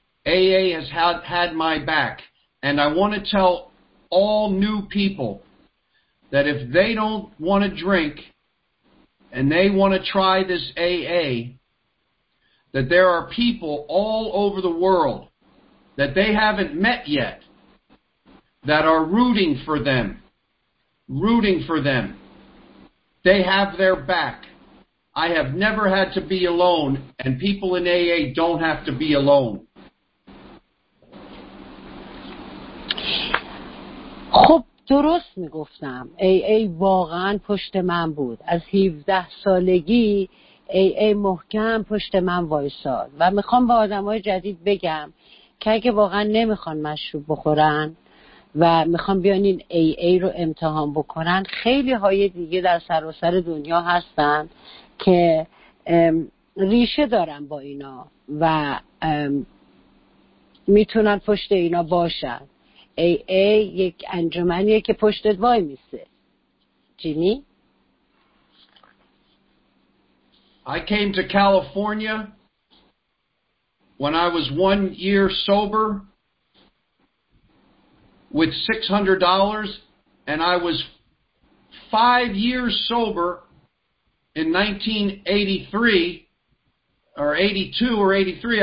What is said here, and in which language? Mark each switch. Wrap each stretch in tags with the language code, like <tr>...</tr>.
<en>AA has had my back, and I want to tell all new people that if they don't want to drink and they want to try this AA, that there are people all over the world that they haven't met yet that are rooting for them, rooting for them. They have their back. I have never had to be alone, and people in AA don't have to be alone.</en> <fa>خب درست میگفتم ای واقعا پشت من بود. از 17 سالگی ای محکم پشت من وایساد. و میخوام به آدمای جدید بگم که اگه واقعا نمیخوان مشروب بخورن و میخوان بیان این ای رو امتحان بکنن، خیلی های دیگه در سراسر دنیا هستن که ریشه دارن با اینا و میتونن پشت اینا باشن. ای یک انجمنیه که پشتت وای میسه. جیمی؟</fa> <en>I came to California when I was 1 year sober with $600 and I was 5 years sober in 1983 or 82 or 83.</en>